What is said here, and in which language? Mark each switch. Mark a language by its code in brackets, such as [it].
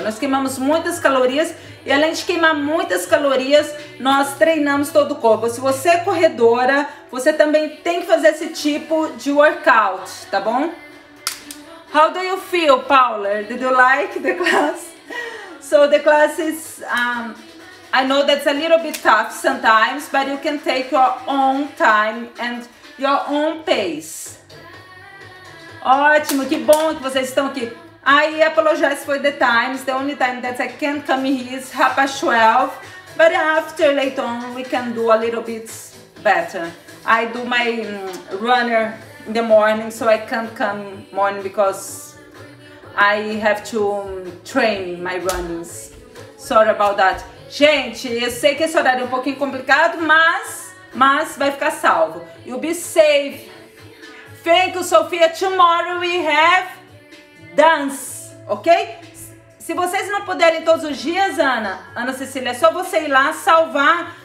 [pt] Nós queimamos muitas calorias e além de queimar muitas calorias, nós treinamos todo o corpo. Se você é corredora, você também tem que fazer esse tipo de workout, tá bom? [en] How do you feel, Paula? Did you like the class? So the class is, I know that's a little bit tough sometimes, but you can take your own time and your own pace. [pt] Ótimo, que bom que vocês estão aqui. [en] I apologize for the times, the only time that I can't come here is 12:30, but after, later on, we can do a little bit better. I do my runner in the morning, so I can't come morning because I have to train my runnings. Sorry about that. [pt] Gente, eu sei que esse horário é um pouquinho complicado, mas vai ficar salvo. [en] You'll be safe. Thank you, Sophia. Tomorrow we have dance, ok? [pt] Se vocês não puderem todos os dias, Ana Cecília, é só você ir lá salvar.